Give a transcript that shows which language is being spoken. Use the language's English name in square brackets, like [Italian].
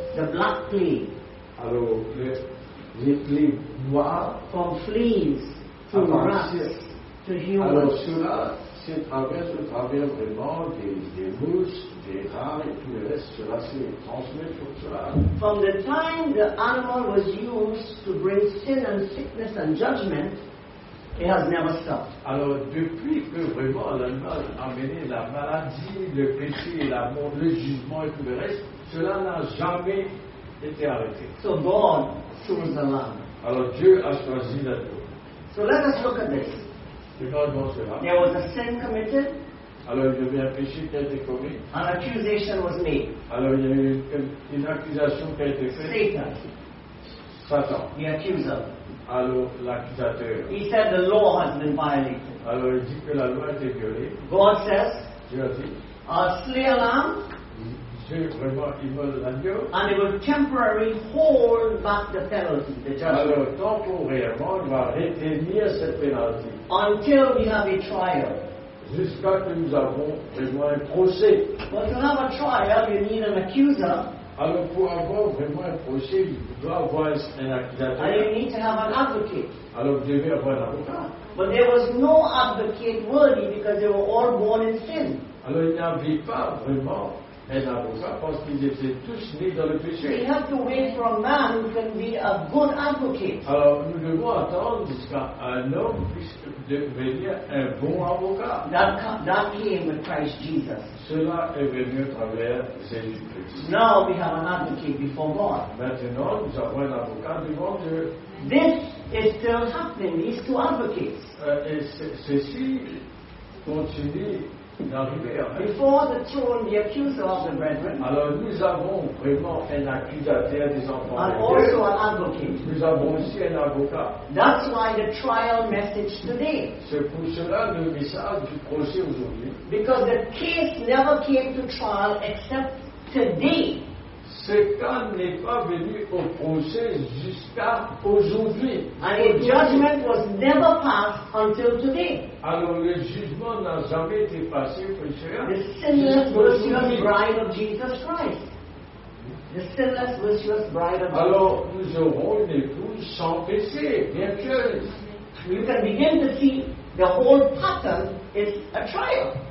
[English] The black plague. [French] Alors, les plaies noires. [English] From fleas to rats. [French] Alors cela, c'est traverse vraiment des mouches, des rats et tout le reste, cela c'est transmis sur cela. [English] From the time the animal was used to bring sin and sickness and judgment, it has never stopped. [French] Alors depuis que vraiment l'animal a amené la maladie, le péché, la mort, le jugement et tout le reste, cela n'a jamais été arrêté. [English] So God chose the lamb. [French] Alors Dieu a choisi la chose. [English] So let us look at this. There was a sin committed. [French] Alors, il y avait un péché qui a été commis. [English] An accusation was made. [French] Alors, il y a une accusation qui a été faite. [English] Satan. The accuser. [French] Alors, l'accusateur. [English] He said the law has been violated. [French] Alors, il dit que la loi a été violée. [English] God says, [French] Dieu a dit, [English] I'll slay a lamb. And it will temporarily hold back the penalty, the judgment. [French] Alors, temporairement, il va retenir cette pénalité. [English] Until we have a trial. [French] Jusqu'à que nous avons vraiment un procès. [English] But to have a trial, you need an accuser. [French] Alors, pour avoir vraiment un procès, il doit avoir un accusateur. [English] And you need to have an advocate. [French] Alors, vous devez avoir un avocat. [English] But there was no advocate worthy because they were all born in sin. [French] Alors, il n'y avait pas vraiment. Un avocat parce qu'ils étaient tous nés dans le péché. [English] We have to wait for a man who can be a good advocate. [French] Alors nous devons attendre jusqu'à un homme puisse devenir un bon avocat. [English] That came with Christ Jesus. [French] Cela est venu à travers Jésus-Christ. [English] Now we have an advocate before God. [French] Maintenant nous avons un avocat devant Dieu. [English] This is still happening. These two advocates. [French] Ceci continue. [English] Before the throne, the accuser of the brethren. [French] Alors nous avons vraiment un accusateur des enfants. [English] And also an advocate. [French] Nous avons aussi un avocat. [English] That's why the trial message today. [French] C'est pour cela le message du procès aujourd'hui. [English] Because the case never came to trial except today. [French] Ce cas n'est pas venu au procès jusqu'à aujourd'hui. [English] And a judgment was never passed until today. [French] Alors le jugement n'a jamais été passé, frère. [English] The sinless, virtuous bride of Jesus Christ. The sinless, virtuous bride of Jesus. [French] Alors nous aurons une épouse sans péché, bien sûr. [English] You can begin to see the whole pattern is a trial.